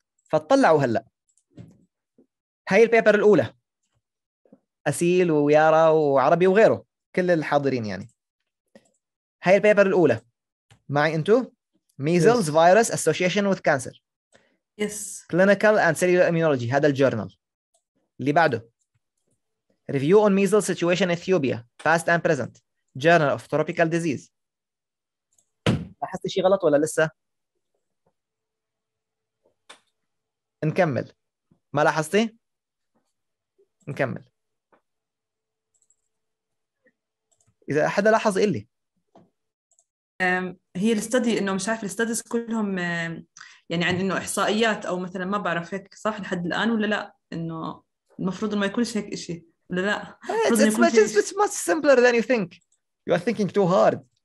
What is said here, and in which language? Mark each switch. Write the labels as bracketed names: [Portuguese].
[Arabic] فتطلعوا هلا. هاي البيبر الأولى. أسيل ويارا وعربي وغيره كل الحاضرين يعني. هاي البيبر الأولى. معي أنتو. [English] Measles virus association with cancer. Yes. Clinical and cellular immunology. [Arabic] هذا الجورنال. اللي بعده. [English] Review on measles situation in Ethiopia, past and present. Journal of tropical disease. [Arabic] لاحظت شيء غلط ولا لسه؟ نكمل. ما لاحظتي؟ نكمل. إذا أحد لاحظ إلي. هي الستدي إنه مش عارف الستديز كلهم يعني عن إنه إحصائيات أو مثلا ما بعرف هيك صح لحد الآن ولا لا، إنه المفروض ما يكونش هيك إشي ولا لا. [English] It's much simpler than you think. You are thinking too hard.